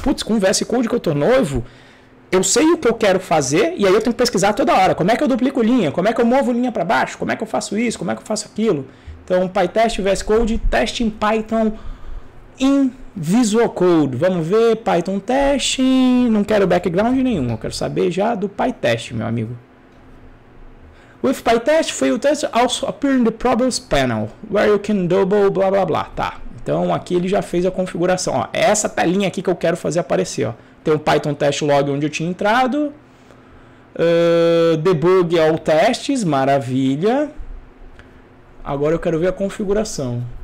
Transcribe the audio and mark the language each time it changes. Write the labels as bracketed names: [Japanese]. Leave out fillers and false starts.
[Portuguese] Putz, com VS Code que eu tô noivo, eu sei o que eu quero fazer, e aí eu tenho que pesquisar toda hora. Como é que eu duplico linha? Como é que eu movo linha para baixo? Como é que eu faço isso? Como é que eu faço aquilo? Então, PyTest, VS Code, teste em Python em Visual Code. Vamos ver, Python test, não quero background nenhum, eu quero saber já do PyTest, meu amigo. [English] With PyTest, fail test also appear in the problems panel, where you can double [Portuguese] blá blá blá. Tá. Então aqui ele já fez a configuração. Ó. É essa telinha aqui que eu quero fazer aparecer. Ó. Tem o Python test log onde eu tinha entrado. Debug all tests, maravilha. Agora eu quero ver a configuração.